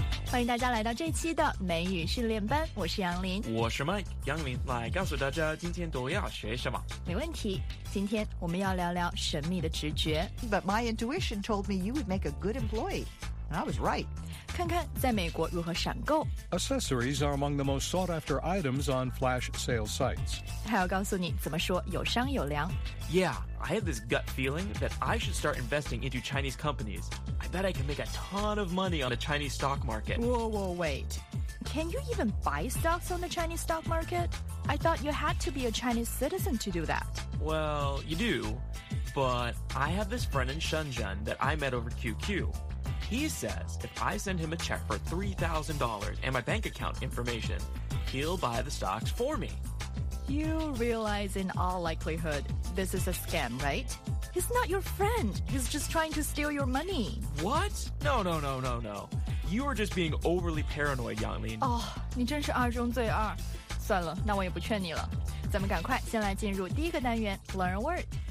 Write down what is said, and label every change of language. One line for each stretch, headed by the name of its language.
Chinese: 欢迎大家来到这期的美语训练班，我是杨林。我是 Mike， 杨林来告诉大家今天都要学什么。没问题，今天我们要聊聊神秘的直觉。
English: But my intuition told me you would make a good employee, and I was right.
Chinese: 看看在美国如何闪购。
English: Accessories are among the most sought after items on flash sale sites.
Chinese: 还要告诉你怎么说有商有量。
English: Yeah, I have this gut feeling that I should start investing into Chinese companies. I bet I can make a ton of money on the Chinese stock market. Whoa, whoa, wait. Can you even buy stocks on the Chinese stock market? I thought you had to be a Chinese citizen to do that. Well, you do. But I have this friend in Shenzhen that I met over QQ. He says if I send him a check for $3,000 and my bank account information, he'll buy the stocks for me. You realize in all likelihood, this is a scam, right? He's not your friend. He's just trying to steal your money. What? No. You are just being overly paranoid, Yanglin.
Chinese: Oh, 你真是二中最二。算了，那我也不劝你了。咱们赶快先来进入第一个单元 ,
English: Learn a Word.